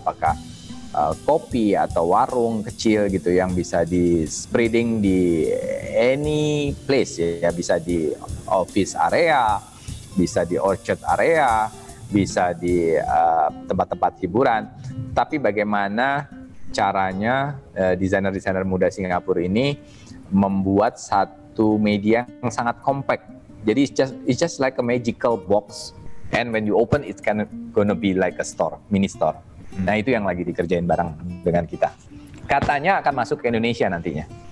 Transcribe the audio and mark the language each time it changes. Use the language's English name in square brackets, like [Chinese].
[Indonesian] Apakah kopi atau warung kecil gitu yang bisa di spreading di any place ya, bisa di office area, bisa di orchard area, bisa di tempat-tempat hiburan. Tapi bagaimana caranya desainer-desainer muda Singapura ini membuat satu media yang sangat compact. Jadi [English] it's just like a magical box, and when you open it's kind of gonna be like a store, mini store. [Indonesian] Nah itu yang lagi dikerjain bareng dengan kita. Katanya akan masuk ke Indonesia nantinya.